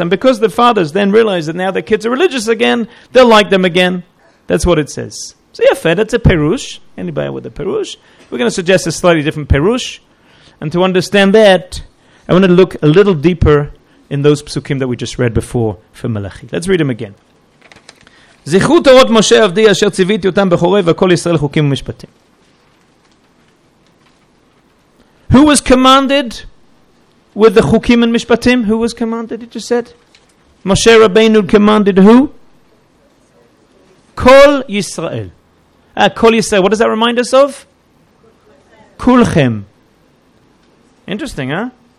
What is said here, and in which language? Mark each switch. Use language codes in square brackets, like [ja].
[en] And because the fathers then realize that now their kids are religious again, they'll like them again. That's what it says. So yeah, fair. That's a perush. Anybody with a perush? We're going to suggest a slightly different perush. And to understand that, I want to look a little deeper in those psukim that we just read before for Malachi. Let's read them again. [he] זכרו תורות משה עבדי אשר ציוויתי אותם בחורב וכל ישראל חוקים ומשפטים. [en] Who was commanded with the חוקים and משפטים? Who was commanded, it just said? Moshe Rabbeinu commanded who? [he] כל ישראל. כל ישראל. [en] What does that remind us of? כולכם. Interesting, huh?